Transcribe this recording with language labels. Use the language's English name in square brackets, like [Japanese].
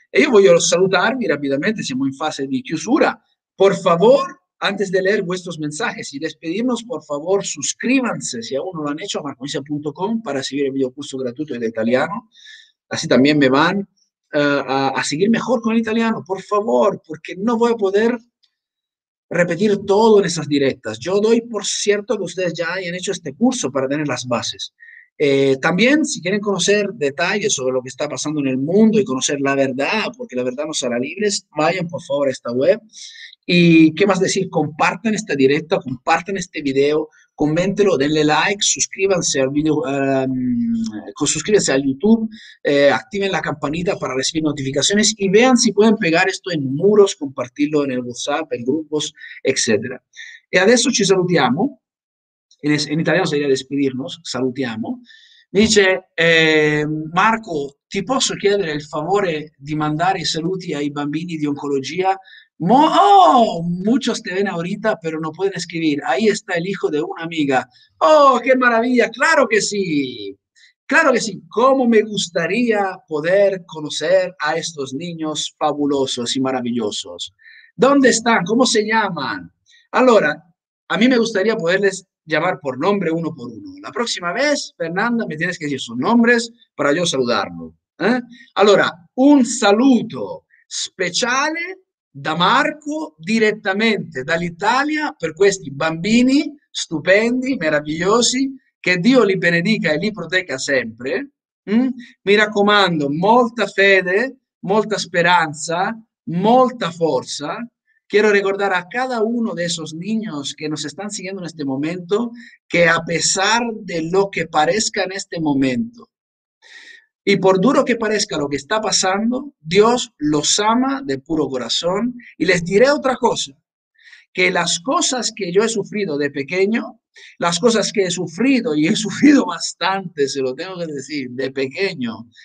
[Italian] E io voglio salutarvi rapidamente, siamo in fase di chiusura. [Spanish] Por favor, antes de leer vuestros mensajes y despedirnos, por favor, suscríbanse si aún no lo han hecho a marcomisia.com para seguir el video curso gratuito de italiano. Así también me van a seguir mejor con el italiano, por favor, porque no voy a poder repetir todo en esas directas. Yo doy por cierto que ustedes ya hayan hecho este curso para tener las bases. También, si quieren conocer detalles sobre lo que está pasando en el mundo y conocer la verdad, porque la verdad nos hará libres, vayan por favor a esta web. Y qué más decir, compartan esta directa, compartan este video, coméntenlo, denle like, suscríbanse al video, suscríbanse a YouTube, activen la campanita para recibir notificaciones y vean si pueden pegar esto en muros, compartirlo en el WhatsApp, en grupos, etc. Y [Italian] adesso ci salutiamo. [Spanish] En italiano sería despedirnos, salutiamo. [Italian] Dice, Marco, ti posso chiedere il favore di mandare i saluti ai bambini di oncologia? [Spanish] Mo oh, muchos te ven ahorita, pero no pueden escribir. Ahí está el hijo de una amiga. ¡Oh, qué maravilla! ¡Claro que sí! ¡Claro que sí! ¿Cómo me gustaría poder conocer a estos niños fabulosos y maravillosos? ¿Dónde están? ¿Cómo se llaman? Ahora, a mí me gustaría poderles llamar por nombre uno por uno. La próxima vez, Fernanda, me tienes que decir sus nombres para yo saludarlo. Ahora, [Italian] un saluto speciale da Marco direttamente dall'Italia per questi bambini stupendi, meravigliosi, che Dio li benedica e li protegga sempre. Mi raccomando, molta fede, molta speranza, molta forza. [Spanish] Quiero recordar a cada uno de esos niños que nos están siguiendo en este momento que a pesar de lo que parezca en este momento, y por duro que parezca lo que está pasando, Dios los ama de puro corazón. Y les diré otra cosa, que las cosas que yo he sufrido de pequeño, las cosas que he sufrido y he sufrido bastante, se lo tengo que decir, de pequeño,